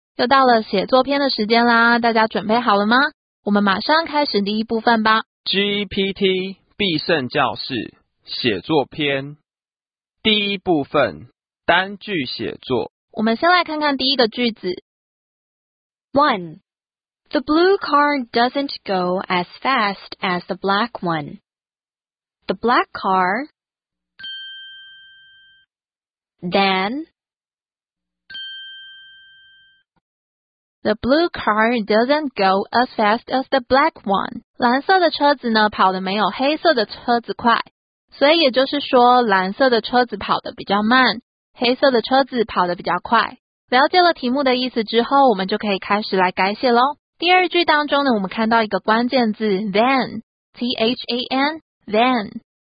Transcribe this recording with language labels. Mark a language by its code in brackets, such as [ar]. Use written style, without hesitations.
[zh] 又到了写作篇的时间啦，大家准备好了吗？我们马上开始第一部分吧。 GPT 必胜教室写作篇第一部分，单句写作。我们先来看看第一个句子。 [en] One, the blue car doesn't go as fast as the black one. The black car. Then, the blue car doesn't go as fast as the black one. [zh] 蓝色的车子呢，跑得没有黑色的车子快。所以也就是说，蓝色的车子跑得比较慢，黑色的车子跑得比较快。了解了题目的意思之后，我们就可以开始来改写咯。第二句当中呢，我们看到一个关键字 than, T-H-A-N, than。